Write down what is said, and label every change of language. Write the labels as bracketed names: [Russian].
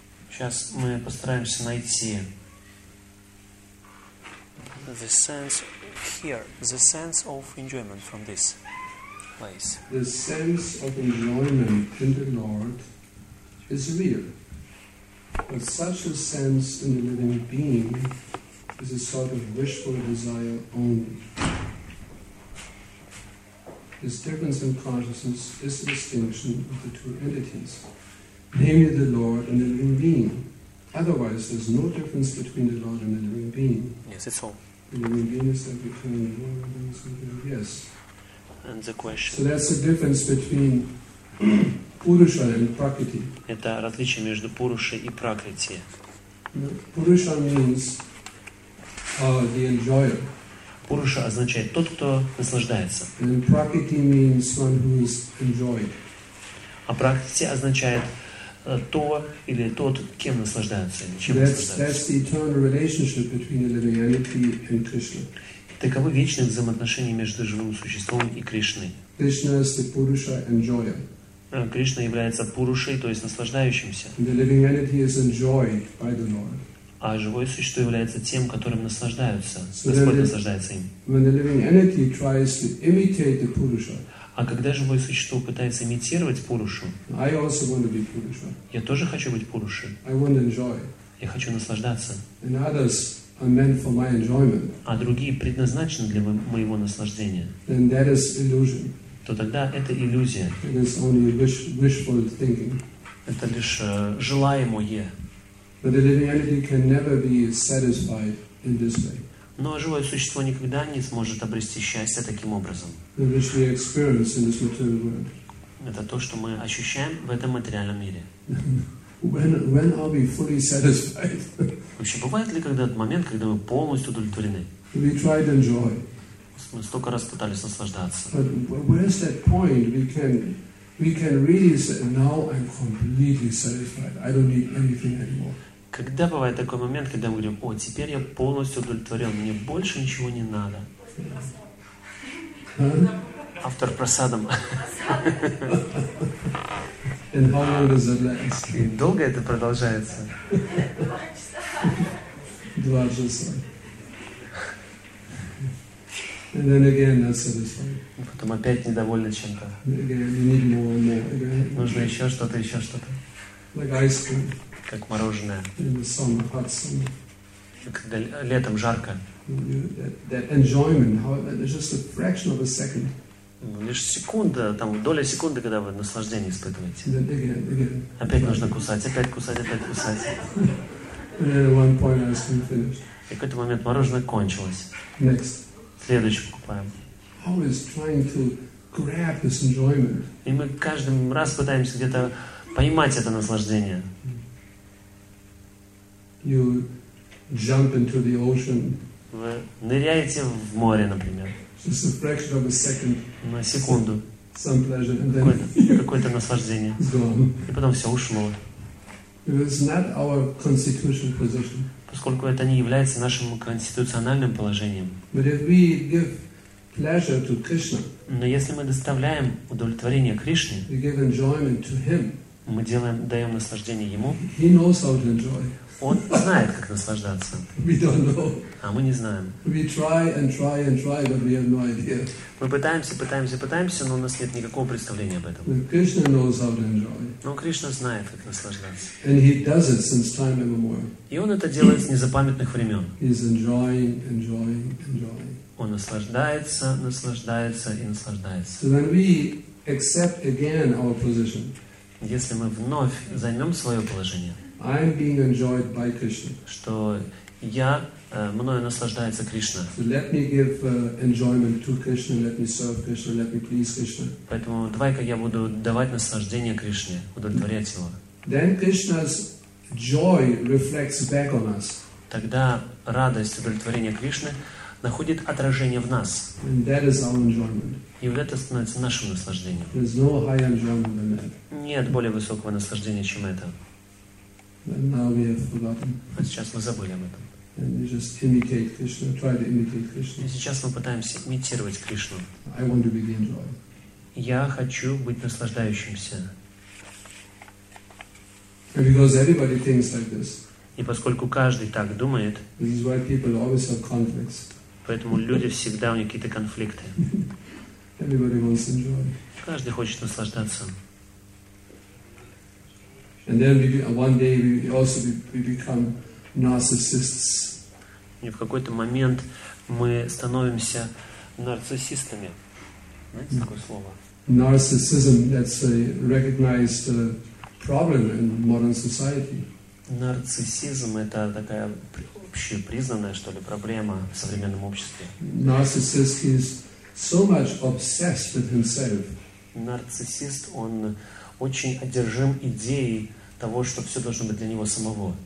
[Russian] Сейчас мы постараемся найти. [English] The sense here, the sense of enjoyment from this place. The sense of enjoyment in the Lord is real. But such a sense in the living being is a sort of wishful desire only. This difference in consciousness is the distinction of the two entities, namely the Lord and the living being. Otherwise, there is no difference between the Lord and the living being. Yes, it's all. The living being is that between the Lord and the living being. Yes. And the question. So that's the difference between Purusha and Prakriti. [Russian] Это различие между Пурушей и Пракрити. [English] Purusha means the enjoyer. [Russian] Пуруша означает тот, кто наслаждается. [English] And Prakriti means one who is enjoyed. [Russian] А Prakriti означает то или тот, кем наслаждается, или чем наслаждается. [English] That's the eternal relationship between the living entity and Krishna. [Russian] Таковы вечные взаимоотношения между живым существом и Кришной. [English] Krishna is the Purusha enjoyer. [Russian] Кришна является Пурушей, то есть наслаждающимся. [English] The living entity is enjoyed by the Lord. [Russian] А живое существо является тем, которым наслаждаются. Господь наслаждается им. [English] When the living entity tries to imitate the Purusha, [Russian] а когда живое существо пытается имитировать Пурушу, [English] I also want to be Purusha. [Russian] Я тоже хочу быть Пурушей. [English] I want to enjoy. [Russian] Я хочу наслаждаться. [English] And others are meant for my enjoyment. [Russian] А другие предназначены для моего наслаждения. [English] Then that is illusion. [Russian] То тогда это иллюзия. [English] It is only wishful thinking. [Russian] Это лишь желаемое. [English] But the living entity can never be satisfied in this way. [Russian] Но живое существо никогда не сможет обрести счастье таким образом. [English] Which we experience in this material world. [Russian] Это то, что мы ощущаем в этом материальном мире. [English] When are we fully satisfied? [Russian] Вообще, бывает ли когда-то момент, когда мы полностью удовлетворены? [English] We tried enjoy. [Russian] Мы столько раз пытались наслаждаться. [English] But where's that point we can really say, now I'm completely satisfied. I don't need anything anymore. [Russian] Когда бывает такой момент, когда мы говорим, о, теперь я полностью удовлетворен, мне больше ничего не надо? Автор просадом. И долго это продолжается? Два часа. [English] And then again, not satisfied. [Russian] Потом опять недовольны чем-то. [English] Again, you need more and more. Again. [Russian] Нужно еще что-то. [English] Like ice cream. [Russian] Как мороженое. [English] In the summer, hot summer. [Russian] Когда летом жарко. [English] That enjoyment, however, just a fraction of a second. [Russian] Лишь секунда, там доля секунды, когда вы наслаждение испытываете. [English] Again. [Russian] Опять нужно кусать, опять кусать. [English] And then at one point, ice cream finished. [Russian] И в какой-то момент мороженое кончилось. [English] Next. [Russian] Следующий покупаем. [English] Always trying to grab this enjoyment. [Russian] И мы каждый раз пытаемся где-то поймать это наслаждение. [English] You jump into the ocean. [Russian] Вы ныряете в море, например. [English] Just a fraction of a second. [Russian] На секунду. [English] Some pleasure, and then [Russian] какое-то наслаждение. [English] It's gone. [Russian] И потом все ушло. [English] It is not our constitutional position. [Russian] Поскольку это не является нашим конституциональным положением. [English] But if we give pleasure to Krishna, [Russian] но если мы доставляем удовлетворение Кришне, [English] we give enjoyment to him, [Russian] мы даем наслаждение Ему, [English] he knows how to enjoy. [Russian] Он знает, как наслаждаться. [English] We don't know. [Russian] А мы не знаем. [English] We try and try and try, but we have no idea. [Russian] Мы пытаемся, но у нас нет никакого представления об этом. [English] But Krishna knows how to enjoy. [Russian] Но Кришна знает, как наслаждаться. [English] And he does it since time immemorial. [Russian] И он это делает с незапамятных времен. [English] He's enjoying, enjoying, enjoying. [Russian] Он наслаждается и наслаждается. [English] So when we accept again our position, [Russian] если мы вновь займем свое положение, [English] I'm being enjoyed by Krishna. [Russian] Что я мною наслаждается Кришна. [English] So let me give enjoyment to Krishna, let me serve Krishna, let me please Krishna. [Russian] Поэтому давай-ка я буду давать наслаждение Кришне, удовлетворять его. [English] Then Krishna's joy reflects back on us. [Russian] Тогда радость удовлетворения Кришны находит отражение в нас. [English] And that is our enjoyment. [Russian] И вот это становится нашим наслаждением. [English] There's no higher enjoyment than that. [Russian] Нет более высокого наслаждения, чем это. [English] And now we have forgotten. [Russian] А сейчас мы забыли об этом. [English] And we just imitate Krishna, try to imitate Krishna. [Russian] И сейчас мы пытаемся имитировать Кришну. [English] I want to be the enjoyer. [Russian] Я хочу быть наслаждающимся. [English] And because everybody thinks like this. [Russian] И поскольку каждый так думает. [English] This is why people always have conflicts. [Russian] Поэтому люди всегда у них какие-то конфликты. [English] Everybody wants to enjoy. [Russian] Каждый хочет наслаждаться. [English] And then one day we become narcissists. [Russian] И в какой-то момент мы становимся нарциссистами. Знаете такое слово? [English] Narcissism, that's a recognized problem in modern society. [Russian] Нарциссизм — это такая общепризнанная, что ли, проблема в современном обществе. [English] Narcissist is so much obsessed with himself. [Russian] Нарциссист, он очень одержим идеей того, что все должно быть для него самого.